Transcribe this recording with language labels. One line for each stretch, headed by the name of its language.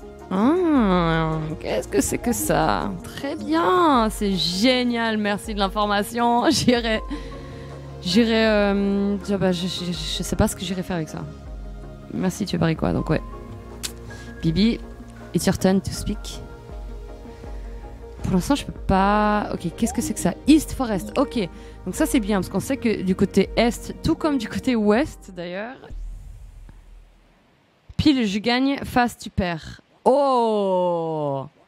French: Ah, qu'est-ce que c'est que ça? Très bien, c'est génial, merci de l'information. J'irai... je sais pas ce que j'irai faire avec ça. Merci, tu veux parier quoi? Donc ouais.
English: Bibi, it's your turn to speak.
French: Pour l'instant, je peux pas... Ok, qu'est-ce que c'est que ça? East Forest, ok. Donc ça, c'est bien, parce qu'on sait que du côté Est, tout comme du côté Ouest, d'ailleurs... Pile, je gagne, face, tu perds. Oh!